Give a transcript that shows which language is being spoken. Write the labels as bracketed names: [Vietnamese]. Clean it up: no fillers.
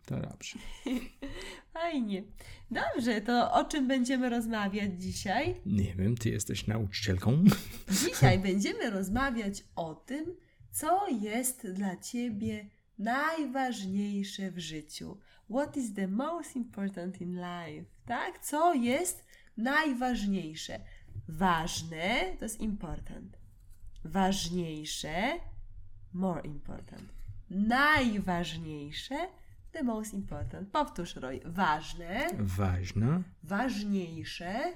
[Polish] To dobrze. Fajnie. Dobrze, to o czym będziemy rozmawiać dzisiaj? Nie wiem, ty jesteś nauczycielką. Dzisiaj będziemy rozmawiać o tym, co jest dla ciebie najważniejsze w życiu. [English] What is the most important in life? [Polish] Tak? Co jest najważniejsze? Ważne, to jest important. Ważniejsze, [English] more important. [Polish] Najważniejsze, [English] the most important. [Polish] Powtórz, Roy. Ważne. Ważne. Ważniejsze.